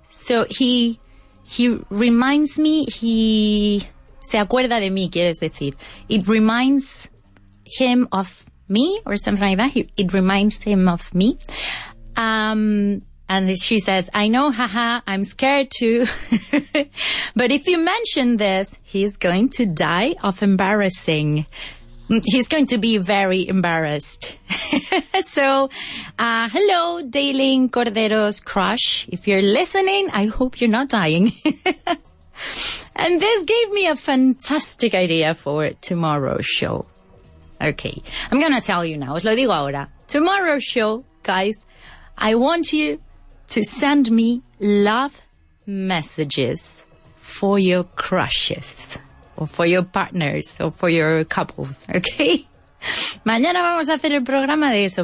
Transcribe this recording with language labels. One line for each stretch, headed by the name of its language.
English: So he reminds me,
Spanish: he se acuerda de mí, quieres decir.
English: It reminds him of me or something like that. It reminds him of me. And she says, I know, haha, I'm scared too. But if you mention this, he's going to die of embarrassing. He's going to be very embarrassed. So, hello, Dailing Cordero's crush. If you're listening, I hope you're not dying. And this gave me a fantastic idea for tomorrow's show. Okay, I'm going to tell you now.
Spanish: Os lo digo ahora.
English: Tomorrow's show, guys, I want you to send me love messages for your crushes. Or for your partners, or for your couples, okay?
Spanish: Mañana vamos a hacer el programa de eso.